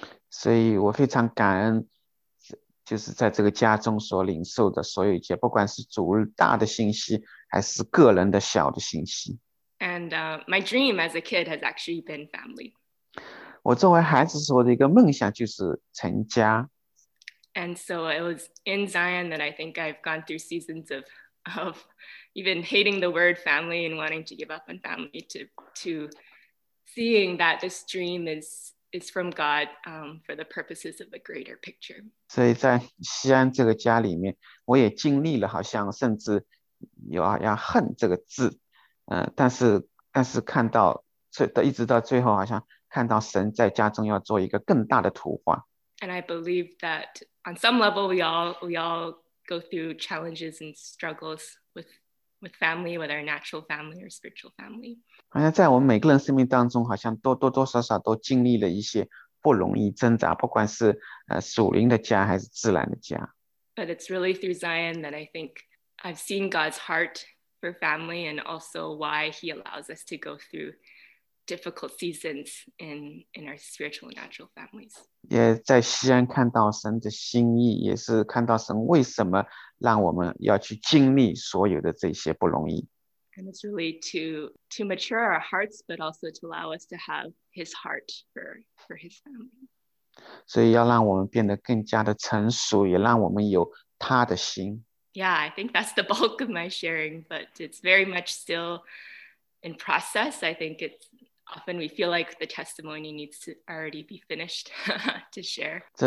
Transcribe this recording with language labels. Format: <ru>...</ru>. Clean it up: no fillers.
<zh>所以我非常感恩，就是在这个家中所领受的所有一切，不管是主日大的信息，还是个人的小的信息。</zh> <en>And my dream as a kid has actually been family.</en> <zh>我作为孩子时候的一个梦想就是成家。</zh> <en>And so it was in Zion that I think I've gone through seasons of even hating the word family and wanting to give up on family to seeing that this dream is from God for the purposes of a greater picture.</en> <zh>所以在西安这个家里面我也经历了好像甚至有要恨这个字但是看到一直到最后好像看到神在家中要做一个更大的图画。</zh> <en>And I believe that on some level we all go through challenges and struggles with family, whether a natural family or spiritual family.</en> <zh>好像在我们每个人生命当中，好像多多少少都经历了一些不容易挣扎，不管是属灵的家还是自然的家。</zh> <en>But it's really through Zion that I think I've seen God's heart for family and also why he allows us to go through difficult seasons in our spiritual and natural families.</en> <zh>也在西安看到神的心意，也是看到神为什么让我们要去经历所有的这些不容易。</zh> <en>And it's really to mature our hearts, but also to allow us to have his heart for his family.</en> <zh>所以要让我们变得更加的成熟，也让我们有他的心。</zh> <en>Yeah, I think that's the bulk of my sharing, but it's very much still in process. I think it's often we feel like the testimony needs to already be finished to share.</en>